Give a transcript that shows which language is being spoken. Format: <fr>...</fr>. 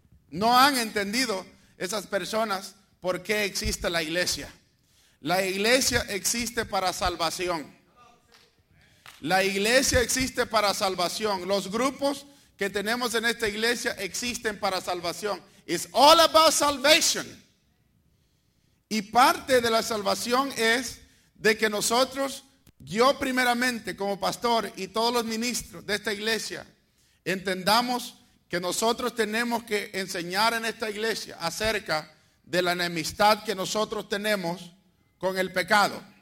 <es>No han entendido esas personas por qué existe la iglesia. La iglesia existe para salvación. La iglesia existe para salvación. Los grupos que tenemos en esta iglesia existen para salvación.</es> <en>It's all about salvation.</en> <es>Y parte de la salvación es de que nosotros, yo primeramente como pastor y todos los ministros de esta iglesia, entendamos que nosotros tenemos que enseñar en esta iglesia acerca de la enemistad que nosotros tenemos con el pecado.</es>